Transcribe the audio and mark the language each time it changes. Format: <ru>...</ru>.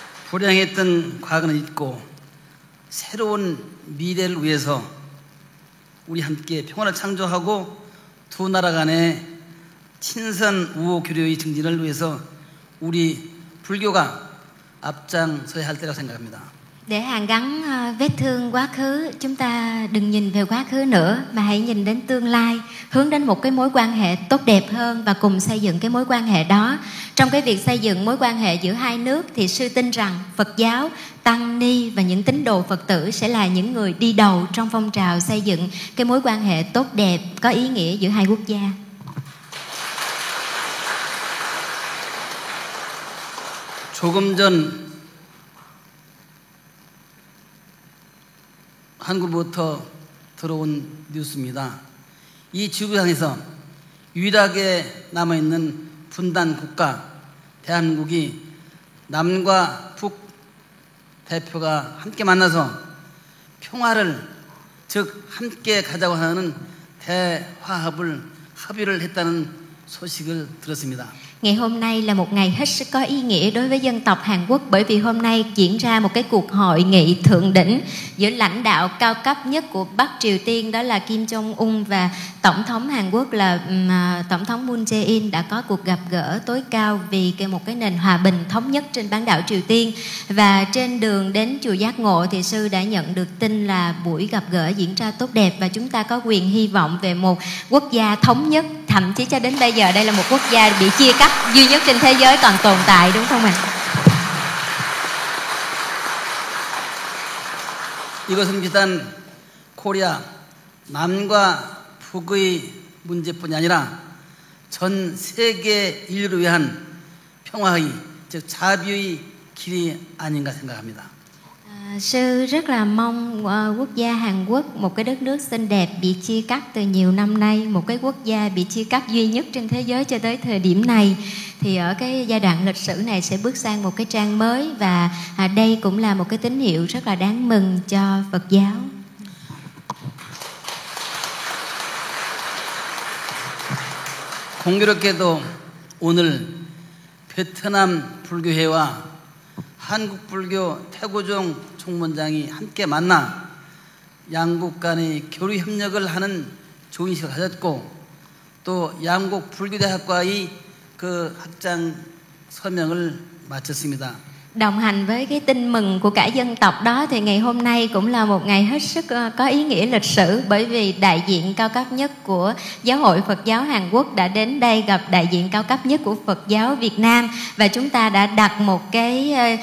<ko>불행했던 과거는 잊고 새로운 미래를 위해서 우리 함께 평화를 창조하고 두 나라 간의 친선 우호 교류의 증진을 위해서 우리 불교가 앞장서야 할 때라고 생각합니다.</ko> <vi>Để hàn gắn vết thương quá khứ, chúng ta đừng nhìn về quá khứ nữa mà hãy nhìn đến tương lai, hướng đến một cái mối quan hệ tốt đẹp hơn và cùng xây dựng cái mối quan hệ đó. Trong cái việc xây dựng mối quan hệ giữa hai nước thì sư tin rằng Phật giáo, Tăng Ni và những tín đồ Phật tử sẽ là những người đi đầu trong phong trào xây dựng cái mối quan hệ tốt đẹp có ý nghĩa giữa hai quốc gia.</vi> <ko>조금 전 한국부터 들어온 뉴스입니다. 이 지구상에서 유일하게 남아있는 분단 국가 대한민국이 남과 북 대표가 함께 만나서 평화를, 즉 함께 가자고 하는 대화합을 합의를 했다는 소식을 들었습니다.</ko> <vi>Ngày hôm nay là một ngày hết sức có ý nghĩa đối với dân tộc Hàn Quốc, bởi vì hôm nay diễn ra một cái cuộc hội nghị thượng đỉnh giữa lãnh đạo cao cấp nhất của Bắc Triều Tiên, đó là Kim Jong-un, và Tổng thống Hàn Quốc là Tổng thống Moon Jae-in đã có cuộc gặp gỡ tối cao vì một cái nền hòa bình thống nhất trên bán đảo Triều Tiên. Và trên đường đến Chùa Giác Ngộ thì sư đã nhận được tin là buổi gặp gỡ diễn ra tốt đẹp, và chúng ta có quyền hy vọng về một quốc gia thống nhất. Thậm chí cho đến bây giờ đây là một quốc gia bị chia cắt duy nhất trên thế giới còn tồn tại, đúng không ạ?</vi> <ko>이것은 비단 코리아 남과 북의 문제뿐이 아니라 전 세계 인류를 위한 평화의, 즉 자비의 길이 아닌가 생각합니다.</ko> <vi>Sư rất là mong quốc gia Hàn Quốc, một cái đất nước xinh đẹp bị chia cắt từ nhiều năm nay, một cái quốc gia bị chia cắt duy nhất trên thế giới cho tới thời điểm này, thì ở cái giai đoạn lịch sử này sẽ bước sang một cái trang mới, và đây cũng là một cái tín hiệu rất là đáng mừng cho Phật giáo.</vi> <ko>공교롭게도 오늘 베트남 불교회와 한국 불교 태고종 총무장이 함께 만나 양국 간의 교류 협력을 하는 좋은 시간을 가졌고 또 양국 불교대학과의 그 학장 서명을 마쳤습니다.</ko> <vi>Đồng hành với cái tin mừng của cả dân tộc đó thì ngày hôm nay cũng là một ngày hết sức có ý nghĩa lịch sử bởi vì đại diện cao cấp nhất của Giáo hội Phật giáo Hàn Quốc đã đến đây gặp đại diện cao cấp nhất của Phật giáo Việt Nam và chúng ta đã đặt một cái</vi>